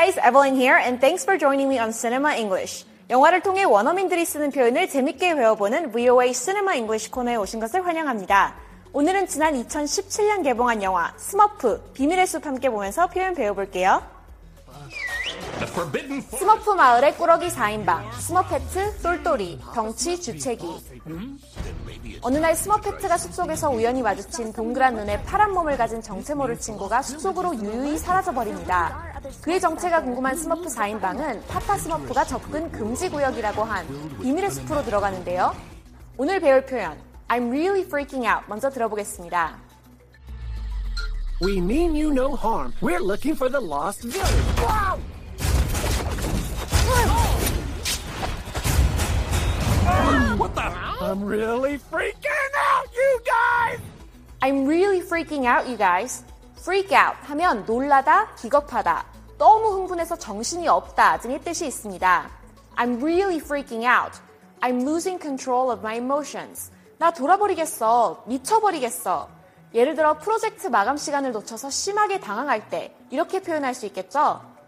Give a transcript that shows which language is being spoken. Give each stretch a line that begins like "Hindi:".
English: Evelyn here, and thanks for joining me on Cinema English.
Korean: 영화를 통해 원어민들이 쓰는 표현을 재밌게 배워보는 VOA Cinema English 코너에 오신 것을 환영합니다. 오늘은 지난 2017년 개봉한 영화 스머프, 비밀의 숲 함께 보면서 표현 배워볼게요. 스머프 마을의 꾸러기 4인방, 스머페트, 똘똘이, 덩치, 주채기. 어느 날 스머페트가 숲속에서 우연히 마주친 동그란 눈에 파란 몸을 가진 정체 모를 친구가 숲속으로 유유히 사라져버립니다. 그의 정체가 궁금한 스머프 4인방은 파파 스머프가 접근 금지구역이라고 한 비밀의 숲으로 들어가는데요. 오늘 배울 표현,
English: I'm really freaking out
Korean: 먼저 들어보겠습니다.
English: We mean you no harm. We're looking for the lost village. Wow! What the? I'm really freaking out, you guys! I'm really freaking out, you guys.
Korean: Freak out 하면 놀라다, 기겁하다, 너무 흥분해서 정신이 없다 등의 뜻이 있습니다.
English: I'm really freaking out. I'm losing control of my emotions.
Korean: 나 돌아버리겠어, 미쳐버리겠어. 예를 들어 프로젝트 마감 시간을 놓쳐서 심하게 당황할 때 이렇게 표현할 수 있겠죠?